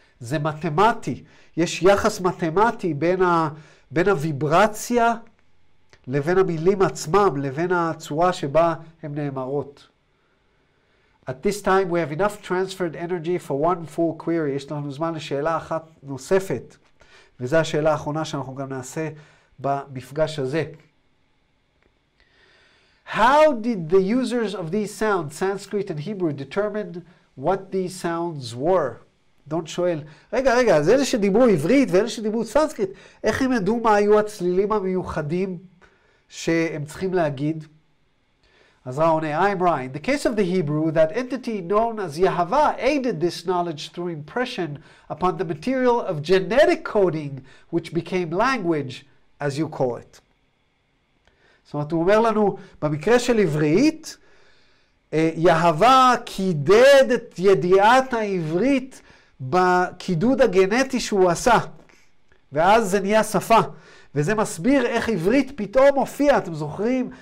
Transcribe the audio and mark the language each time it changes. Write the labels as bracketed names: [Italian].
[Hebrew] זה מתמטי. יש יחס מתמטי בין הוויברציה לבין המילים עצמם, לבין הצורה שבה הן נאמרות. [English] At this time we have enough transferred energy for one full query. [Hebrew] יש לנו זמן לשאלה אחת נוספת. וזו השאלה האחרונה שאנחנו גם נעשה במפגש הזה. [English] How did the users of these sounds, Sanskrit and Hebrew, determine what these sounds were? [Hebrew] Don't שואל, רגע, רגע, אז אלה שדיברו עברית ואלה שדיברו סנסקריט, איך הם ידעו מה היו הצלילים המיוחדים שהם צריכים להגיד? אז ראה עונה, [English] I'm right. The case of the Hebrew, that entity known as Yahava, aided this knowledge through impression upon the material of genetic coding, which became language, as you call it. [Hebrew] זאת אומרת, הוא אומר לנו, במקרה של עברית, יהבה קידד את ידיעת העברית בקידוד הגנטי שהוא עשה. ואז זה נהיה שפה. וזה מסביר איך עברית פתאום הופיע, אתם זוכרים?